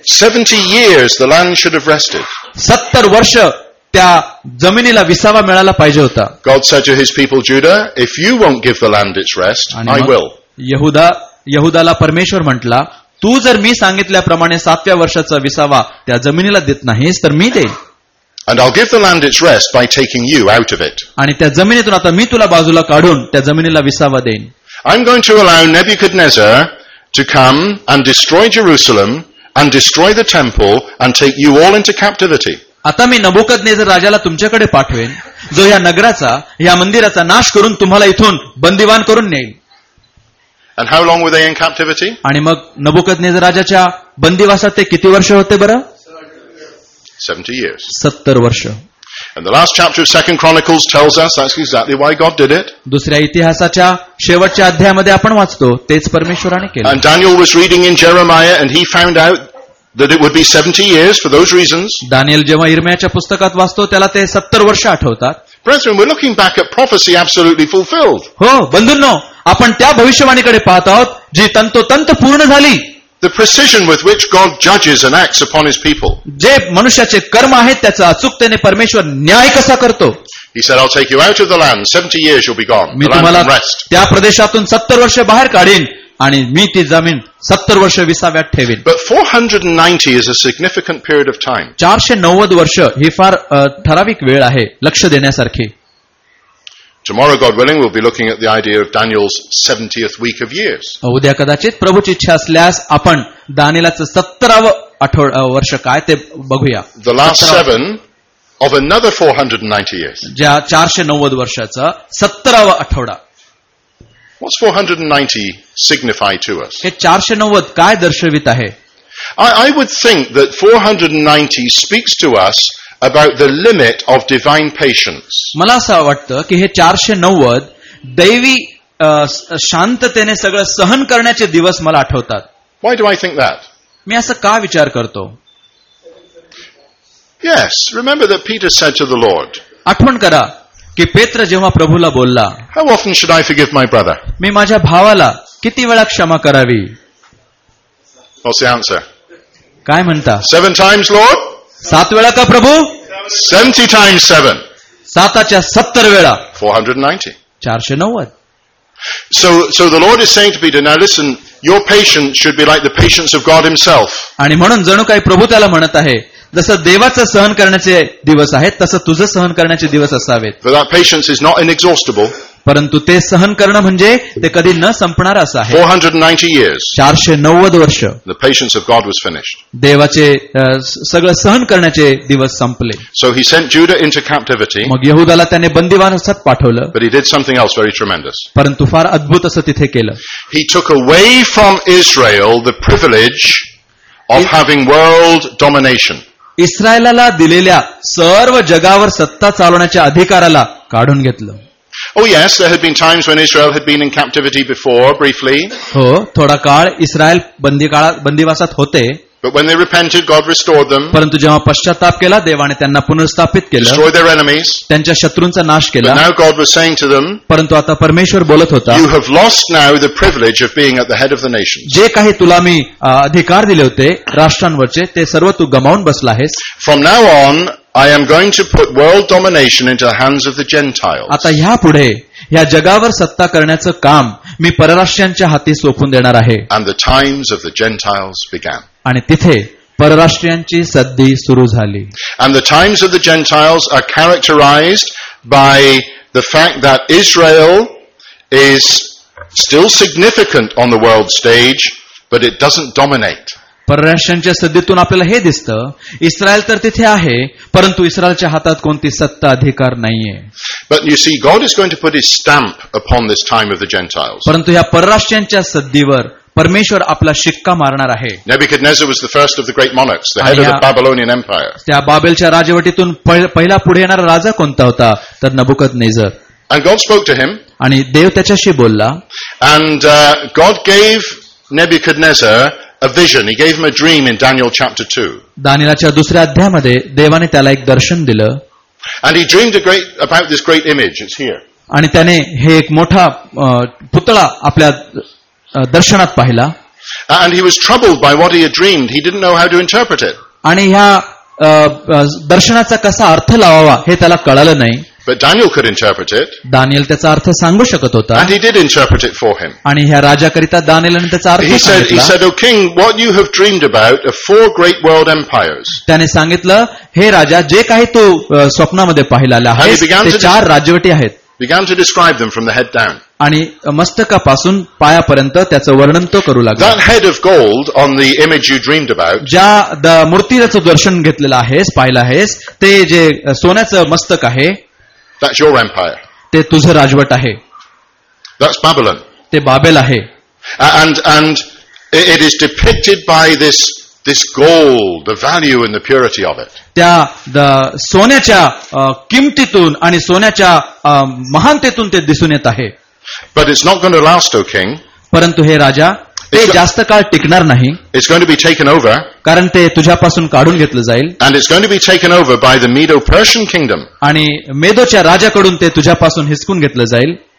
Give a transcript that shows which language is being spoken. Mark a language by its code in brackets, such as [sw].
[en] 70 years the land should have rested. [mr] 70 वर्ष त्या जमिनीला विसावा मिळाला पाहिजे होता. [en] God said to his people Judah, if you won't give the land its rest, I will. [mr] यहुदाला परमेश्वर म्हटला तू जर मी सांगितल्याप्रमाणे 7व्या वर्षाचा विसावा त्या जमिनीला देत नाहीस तर मी देईन. [en] And I'll give the land its rest by taking you out of it. [mr] आणि त्या जमिनीतून आता मी तुला बाजूला काढून त्या जमिनीला विसावा देईन. [en] I'm going to allow Nebuchadnezzar to come and destroy Jerusalem and destroy the temple and take you all into captivity. [mr] आता मी नबुकदनेझर राजाला तुमच्याकडे पाठवेन जो या नगराचा या मंदिराचा नाश करून तुम्हाला इथून बंदीवान करून नेईल. [en] And how long were they in captivity? [mr] आणि मग नबुकदनेझर राजाच्या बंदीवासात ते किती वर्ष होते बरं. [en] 70 years. [mr] 70 वर्ष. [en] And the last chapter of 2 Chronicles tells us that's exactly why God did it. [mr] दुसऱ्या इतिहासाच्या शेवटच्या अध्यायामध्ये आपण वाचतो तेच परमेश्वराने केलं. [en] And Daniel was reading in Jeremiah and he found out that it would be 70 years for those reasons. [mr] Daniel जेव्हा यिर्मियाच्या पुस्तकात वाचतो त्याला ते 70 वर्ष आठवतात. [en] Brethren, we're looking back at prophecy absolutely fulfilled. [mr] हो बंधूंनो आपण त्या भविष्यवाणीकडे पाहत आहोत जी तंतोतंत पूर्ण झाली. [en] The precision with which God judges and acts upon his people. [mr] जे मनुष्याचे कर्म आहेत त्याचा अचूकतेने परमेश्वर न्याय कसा करतो. [en] He said, I'll take you out of the land. 70 years you'll be gone. The land can rest. [mr] त्या प्रदेशातून 70 वर्ष बाहेर काढीन आणि मी ती जमीन 70 वर्ष विसाव्यात ठेवीन. [en] But 490 is a significant period of time. [mr] 490 वर्ष ही फार ठराविक वेळ आहे लक्ष देण्यासारखी. [en] Tomorrow, God willing, we'll be looking at the idea of Daniel's 70th week of years. [mr] उद्या कदाचित प्रभूची इच्छा असल्यास आपण दानिलाचं 70वं वर्ष काय ते बघूया. [en] The last 7 of another 490 years. [mr] ज्या 490 वर्षाचं 70वं आठवडा. [en] What's 490 signify to us? [mr] हे 490 काय दर्शवित आहे? [en] I would think that 490 speaks to us about the limit of divine patience. [mr] मला असं वाटतं की हे 490 दैवी शांततेने सगळं सहन करण्याचे दिवस मला आठवतात. [en] Why do I think that? [mr] मी असं का विचार करतो? [en] Yes, remember that Peter said to the Lord. [mr] आठवण करा की पेत्र जेव्हा प्रभूला बोलला. [en] How often should I forgive my brother? [mr] मी माझ्या भावाला किती वेळा क्षमा करावी? [en] What's the answer? [mr] काय म्हणता? [en] 7 times, Lord? [mr] सात वेळा का प्रभू? [en] 70 times 7. [mr] साताच्या 70 वेळा. [en] 490. [mr] 490. [en] So the Lord is saying to Peter, now listen, your patience should be like the patience of God himself. [mr] आणि म्हणून जणू काही प्रभू त्याला म्हणत आहे जसं देवाचं सहन करण्याचे दिवस आहेत तसं तुझं सहन करण्याचे दिवस असावेत. [en] But that patience is not inexhaustible. [mr] परंतु ते सहन करणं म्हणजे ते कधी न संपणार असं आहे. [en] 490 years. [mr] 490 वर्ष. [en] The patience of God was finished. [mr] देवाचे सगळं सहन करण्याचे दिवस संपले. [en] So he sent Judah into captivity. [mr] मग यहूदाला त्याने बंदीवानासत पाठवलं. [en] But he did something else very tremendous. [mr] परंतु फार अद्भुत असं तिथे केलं. [en] He took away from Israel the privilege of having world domination. [mr] इस्रायलला दिलेल्या सर्व जगावर सत्ता चालवण्याच्या अधिकाराला काढून घेतलं. [en] Oh yes, there had been times when Israel had been in captivity before, briefly. [mr] हो थोडा काळ इस्रायल बंदीवासात होते. [en] But when they repented, God restored them. [mr] परंतु जेव्हा पश्चाताप केला देवाने त्यांना पुनर्स्थापित केलं. [en] Destroyed their enemies. [mr] त्यांच्या शत्रूंचा नाश केला. [en] But now God was saying to them. [mr] परंतु आता परमेश्वर बोलत होता. [en] You have lost now the privilege of being at the head of the nations. [mr] जे काही तुला मी अधिकार दिले होते राष्ट्रांवरचे ते सर्व तू गमावून बसला आहेस. [en] From now on, I am going to put world domination into the hands of the Gentiles. [mr] आता या पुढे या जगावर सत्ता करण्याचं काम मी परराष्ट्रांच्या हाती सोपून देणार आहे. [en] And the times of the Gentiles began. [mr] आणि तिथे परराष्ट्रांची सद्दी सुरू झाली. [en] And the times of the Gentiles are characterized by the fact that Israel is still significant on the world stage, but it doesn't dominate. [mr] परराष्ट्रांच्या सद्दीतून आपल्याला हे दिसतं Israel तर तिथे आहे परंतु इस्रायलच्या हातात कोणती सत्ता अधिकार नाहीये. [en] But you see, God is going to put his stamp upon this time of the Gentiles. [mr] परंतु या परराष्ट्रांच्या सद्दीवर परमेश्वर आपला शिक्का मारणार आहे. [en] Nebuchadnezzar was the first of the great monarchs, the head of the Babylonian Empire. [mr] त्या बाबेलच्या राजवटीतून पहिला पुढे येणारा राजा कोणता होता तर नबुकदनेझर. [en] And God spoke to him. [mr] आणि देव त्याच्याशी बोलला. [en] And God gave Nebuchadnezzar a vision. He gave him a dream in Daniel chapter 2. [mr] दानिलाच्या दुसऱ्या अध्यायामध्ये देवाने त्याला एक दर्शन दिलं. [en] And he dreamed about this great image. It's here. [mr] आणि त्याने हे एक मोठा पुतळा आपल्या दर्शनात पाहिला. [en] And he was troubled by what he had dreamed. He didn't know how to interpret it. [mr] आणि ह्या दर्शनाचा कसा अर्थ लावावा हे त्याला कळलं नाही. [en] But Daniel could interpret it. [mr] Daniel त्याचा अर्थ सांगू शकत होता. [en] And he did interpret it for him. [mr] आणि ह्या राजाकरिता दानियलने त्याचा अर्थ सांगितला. [en] He said, "O king, what you have dreamed about are four great world empires." [mr] त्याने सांगितलं, "हे राजा, जे काही तू स्वप्नामध्ये पाहिलेलं आहेस ते चार राजवटी आहेत." [en] Began to describe them from the head down. [mr] आणि मस्तकापासून पायापर्यंत त्याचं वर्णन तो करू लागला. [en] That head of gold on the image you dreamed about. [mr] ज्या मूर्तीचं दर्शन घेतलेलं आहेस पाहिलं आहेस ते जे सोन्याचं मस्तक आहे. [en] That's your empire. [mr] ते तुझं राजवट आहे. [en] That's Babylon. [mr] ते बाबेल आहे. [en] And it is depicted by this this gold, the value and the purity of it. [mr] त्या सोन्याच्या किमतीतून आणि सोन्याच्या महानतेतून ते दिसून येत आहे. [en] But it's not going to last, O king. [mr] परंतु हे राजा ते जास्त काळ टिकणार नाही. [en] It's going to be taken over. [mr] कारण ते तुझ्यापासून काढून घेतलं जाईल. [en] And it's going to be taken over by the Medo-Persian kingdom. [mr] आणि मेदोच्या राजाकडून ते तुझ्यापासून हिसकून घेतलं जाईल.